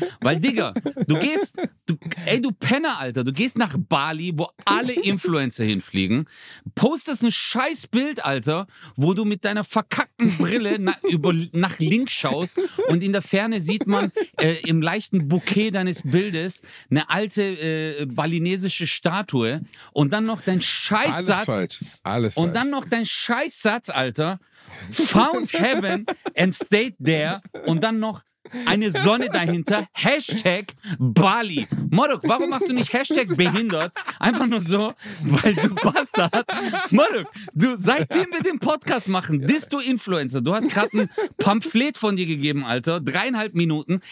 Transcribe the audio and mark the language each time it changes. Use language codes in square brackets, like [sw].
[de] Weil, Digga, du Penner, Alter, du gehst nach Bali, wo alle Influencer hinfliegen, postest ein scheiß Bild, Alter, wo du mit deiner verkackten Brille nach links schaust und in der Ferne sieht man im leichten Bouquet deines Bildes eine alte balinesische Statue und dann noch dein Scheißsatz. Alles falsch. Alles und dann falsch. Noch dein Scheißsatz, Alter. [en] Found heaven and stayed there. [de] Und dann noch eine Sonne dahinter. Hashtag Bali. Maruk, warum machst du nicht Hashtag behindert? Einfach nur so, weil du Bastard. Maruk, du, seitdem wir den Podcast machen, bist du Influencer. Du hast gerade ein Pamphlet von dir gegeben, Alter. 3,5 Minuten.